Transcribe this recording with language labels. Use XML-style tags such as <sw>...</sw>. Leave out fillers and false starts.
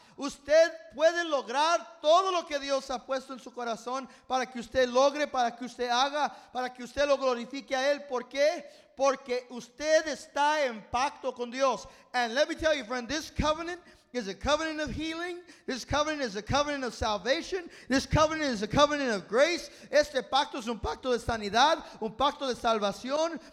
<es>Usted puede lograr todo lo que Dios ha puesto en su corazón para que usted logre, para que usted haga, para que usted lo glorifique a Él. ¿Por qué? Porque usted está en pacto con Dios.</es> <en>And let me tell you, friend, this covenant is a covenant of healing. This covenant is a covenant of salvation. This covenant is a covenant of grace.</en> <es>Este pacto es un pacto de sanidad, un pacto de salvación.</es>